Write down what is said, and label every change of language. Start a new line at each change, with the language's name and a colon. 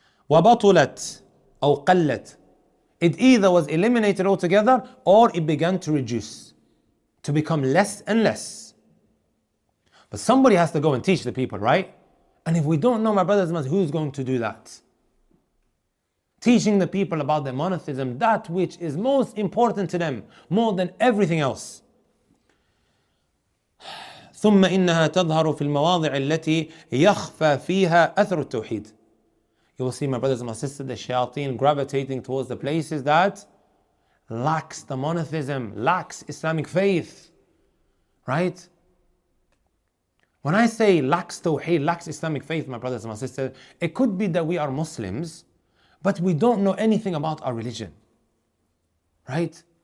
Arabic: وَبَطُلَتْ أَوْ قَلَّتْ
English: It either was eliminated altogether or it began to reduce, to become less and less. But somebody has to go and teach the people, right? And if we don't know, my brothers and sisters, who's going to do that? Teaching the people about their monotheism, that which is most important to them, more than everything else.
Arabic: ثم إنها تظهر في المواضع التي يخفى فيها أثر التوحيد.
English: You will see, my brothers and my sisters, the shayateen gravitating towards the places that lacks the monotheism, lacks Islamic faith. Right? When I say lacks tawheed, lacks Islamic faith, my brothers and my sisters, it could be that we are Muslims, but we don't know anything about our religion. Right?